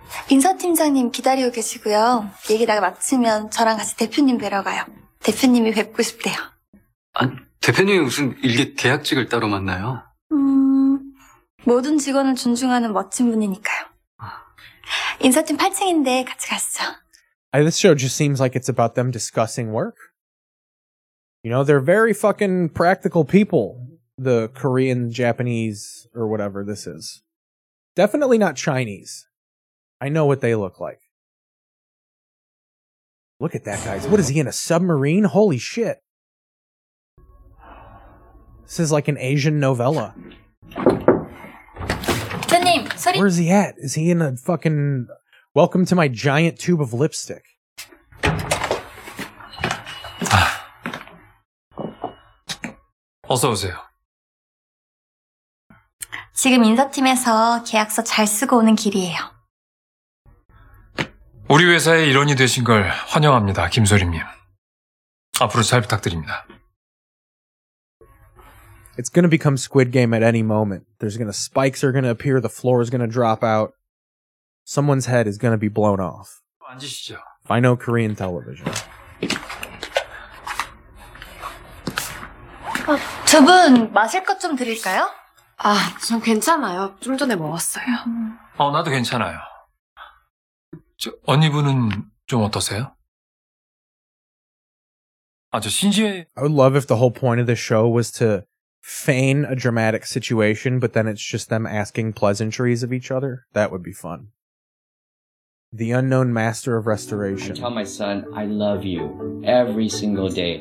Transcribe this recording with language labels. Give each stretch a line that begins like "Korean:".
Korean: 인사팀장님 기다리고 계시고요. 얘기 다 마치면 저랑 같이 대표님 뵈러 가요. 대표님이 뵙고 싶대요. 아니, 대표님이 무슨 일개 계약직을 따로 만나요? 모든 직원을 존중하는 멋진 분이니까요. 인사팀 8층인데 같이 가시죠.
English: This show just seems like it's about them discussing work. You know, they're very fucking practical people. The Korean, Japanese, or whatever this is. Definitely not Chinese. I know what they look like. Look at that guy. What is he in, a submarine? Holy shit. This is like an Asian novella.
Korean: 손님, 소리.
English: Where is he at? Is he in a fucking... Welcome to my giant tube of lipstick.
Korean: 어서 오세요. 지금 인사팀에서 계약서 잘 쓰고 오는 길이에요. 우리 회사의 일원이 되신 걸 환영합니다, 김소림님. 앞으로 잘 부탁드립니다.
English: It's going to become Squid Game at any moment. There's going to spikes are going to appear, the floor is going to drop out. Someone's head is going to be blown off.
Korean: 앉으시죠.
English: I know Korean television.
Korean: 아, 두 분 마실 것 좀 드릴까요? 아, 전 괜찮아요. 좀 전에 먹었어요. 나도 괜찮아요. 저, 언니분은 좀 어떠세요? 아주 신지해.
English: I would love if the whole point of the show was to feign a dramatic situation, but then it's just them asking pleasantries of each other. That would be fun. The unknown master of restoration. I tell my son, I love you every single day.